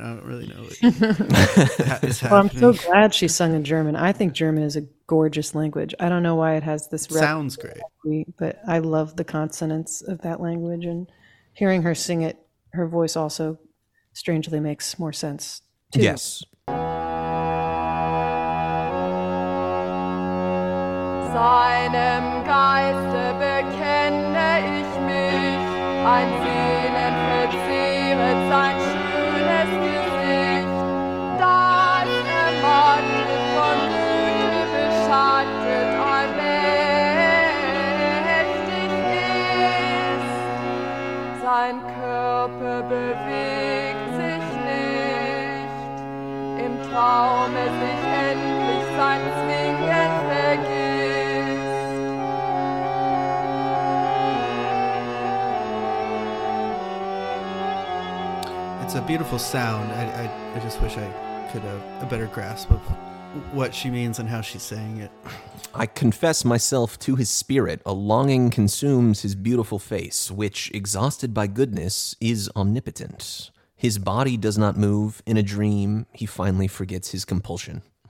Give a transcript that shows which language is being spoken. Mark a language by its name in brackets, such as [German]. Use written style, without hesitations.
[English] I don't really know what is happening. Well, I'm so glad she sung in German. I think German is a gorgeous language. I don't know why it has this. Sounds great. But I love the consonants of that language, and hearing her sing it, her voice also strangely makes more sense too. Yes. [German] Seinem Geiste bekenne ich mich, ein Sehnen verziert sein schönes Gesicht, das ermattet von Güte beschattet allmächtig ist. Sein Körper bewegt sich nicht, im Traume sich endlich sein Zwingen vergisst. [English] A beautiful sound. I just wish I could have a better grasp of what she means and how she's saying it. I confess myself to his spirit. A longing consumes his beautiful face, which, exhausted by goodness, is omnipotent. His body does not move. In a dream, he finally forgets his compulsion.